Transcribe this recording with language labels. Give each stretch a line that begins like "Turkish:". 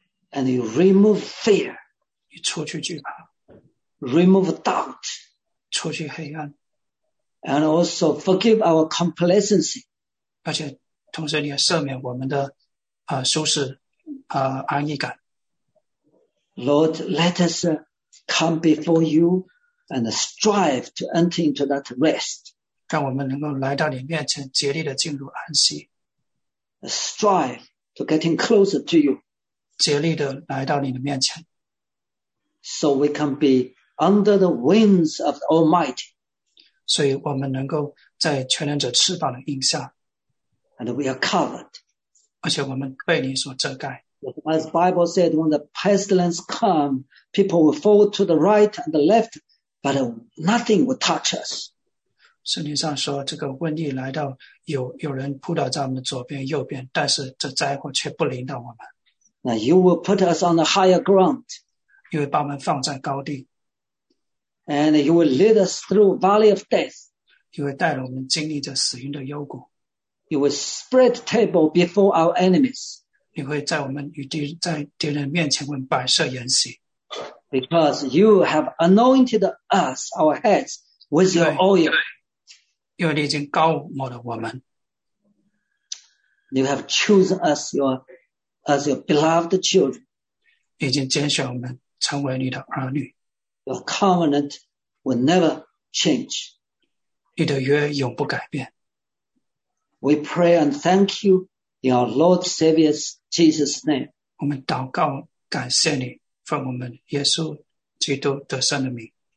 English: And you remove fear.
Chinese: 你除去惧怕。
English: Remove doubt.
Chinese: 除去黑暗。
English: And also forgive our complacency.
Chinese: 而且同时你要赦免我们的舒适安逸感。
English: Lord, let us come before you and strive to enter into that rest.
Chinese: 让我们能够来到你面前，竭力的进入安息。
English: Strive to getting closer to you.
Chinese: 竭力的来到你的面前。
English: So we can be under the wings of the Almighty.
Chinese: 所以我们能够在全能者翅膀的荫下。
English: And we are covered.
Chinese: 而且我们被你所遮盖。
English: As Bible said, when the pestilence come, people will fall to the right and the left, but nothing will touch us.
Chinese: 圣经上说，这个瘟疫来到，有人扑倒在我们左边、右边，但是这灾祸却不临到我们。
English: Now you will put us on the higher ground.
Chinese: 你会把我们放在高地。
English: And you will lead us through valley of death.
Chinese: 你会带着我们经历着死荫的幽谷。
English: You will spread table before our enemies.
Chinese: 你会在我们与敌在敌人面前为我们摆设筵席
English: ，because you have anointed us our heads with your oil，
Chinese: 因为你已经膏抹了我们。
English: You have chosen us as your beloved children，
Chinese: 已经拣选我们成为你的儿女。
English: Your covenant will never change，
Chinese: 你的约永不改变。
English: We pray and thank you in our Lord Savior's Jesus' name，
Chinese: 我们祷告感谢你，奉我们耶稣基督得胜的名。